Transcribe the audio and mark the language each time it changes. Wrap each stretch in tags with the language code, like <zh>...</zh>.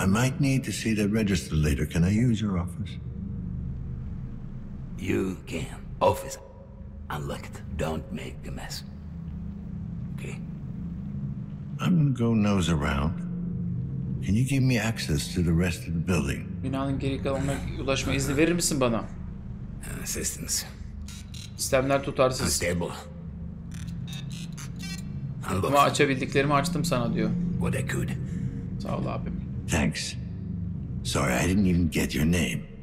<en>I might need to see the register later. Can I use your office? You can. Office unlocked. Don't make a mess. Okay. I'm gonna go nose around. Can you give me access to the rest of the building?</en> <tr>Binanın geri kalanına ulaşma izni verir misin bana?</tr> <en>Assistance.</en> <tr>Sistemler tutarsız.</tr> <en>Unstable.</en> <tr>Ama açabildiklerimi açtım sana diyor.</tr> <en>What I could.</en> <tr>Sağ ol abim.</tr> <en>Thanks. Sorry, I didn't even get your name.</en>